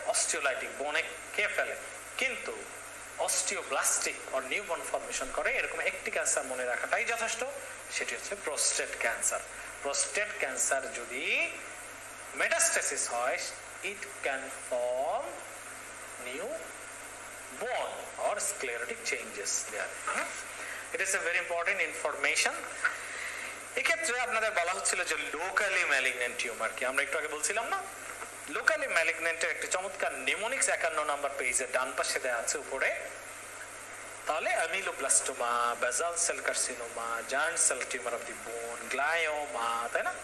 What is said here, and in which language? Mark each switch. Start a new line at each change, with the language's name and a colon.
Bangla: অস্টিওলাইটিক বোনে খেয়ে ফেলে, কিন্তু অস্টিওব্লাস্টিক আর নিউ বোন ফরমেশন করে, এরকম একটি ক্যান্সার মনে রাখাটাই যথেষ্ট, সেটি হচ্ছে প্রোস্টেট ক্যান্সার। প্রোস্টেট ক্যান্সার যদি মেটাস্টেসিস হয়,
English: It can form new or sclerotic changes there. It is a very important information.
Bangla: এক্ষেত্রে আপনাদের বলা হচ্ছিল যে লোকালি ম্যালিগন্যান্ট টিউমার কি, আমরা একটু আগে বলছিলাম না, লোকালি ম্যালিগন্যান্টের একটি চমৎকার নিমোনিক্স 51 নম্বর পেজে ডান পাশে দেয়া আছে উপরে, তাহলে অ্যামিলোব্লাস্টোমা, বেজাল cell carcinoma, giant cell tumour of the বোন, গ্লায়োমা, তাই না?